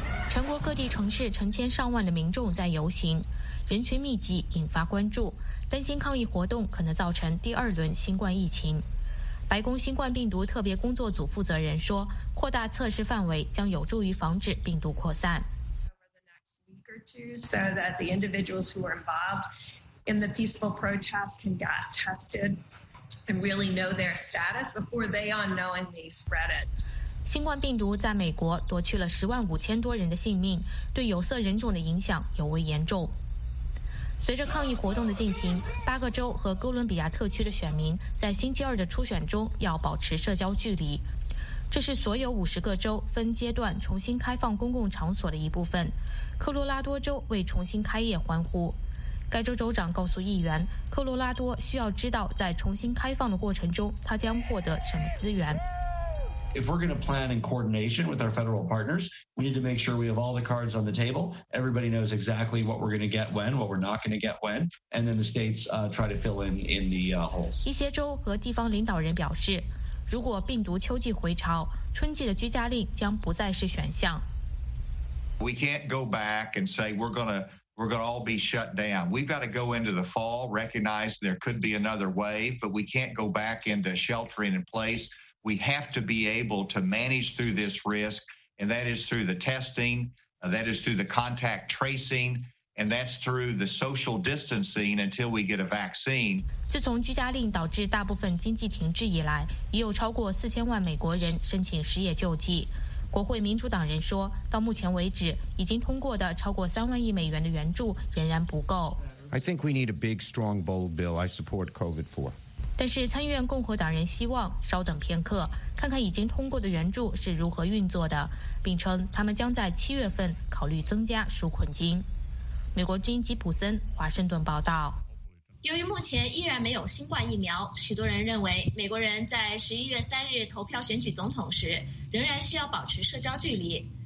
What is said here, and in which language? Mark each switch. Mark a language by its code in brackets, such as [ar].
[zh] 全国各地城市成千上万的民众在游行，人群密集引发关注，担心抗疫活动可能造成第二轮新冠疫情。白宫新冠病毒特别工作组负责人说，扩大测试范围将有助于防止病毒扩散。 [en] So that the individuals who are involved in the peaceful protests can get tested and really know their status before they unknowingly spread it. [zh] 新冠病毒在美国夺去了15,000多人的性命，对有色人种的影响尤为严重。随着抗议活动的进行，八个州和哥伦比亚特区的选民在星期二的初选中要保持社交距离。这是所有50个州分阶段重新开放公共场所的一部分。科罗拉多州为重新开业欢呼。该州州长告诉议员，科罗拉多需要知道在重新开放的过程中他将获得什么资源。 [en] If we're going to plan in coordination with our federal partners, we need to make sure we have all the cards on the table. Everybody knows exactly what we're going to get when, what we're not going to get when, and then the states try to fill in the holes. [zh] 一些州和地方领导人表示，如果病毒秋季回潮，春季的居家令将不再是选项。 [en] We can't go back and say we're going to all be shut down. We've got to go into the fall, recognize there could be another wave, but we can't go back into sheltering in place. We have to be able to manage through this risk, and that is through the testing, that is through the contact tracing, and that's through the social distancing until we get a vaccine. [zh] 自从居家令导致大部分经济停滞以来，已有超过4000万美国人申请失业救济。国会民主党人说，到目前为止，已经通过的超过3万亿美元的援助仍然不够。 [en] I think we need a big, strong, bold bill. I support COVID for. [zh] 但是参议院共和党人希望稍等片刻，看看已经通过的援助是如何运作的，并称他们将在7月份考虑增加纾困金。美国之音吉普森华盛顿报道。由于目前依然没有新冠疫苗，许多人认为美国人在11月3日投票选举总统时仍然需要保持社交距离。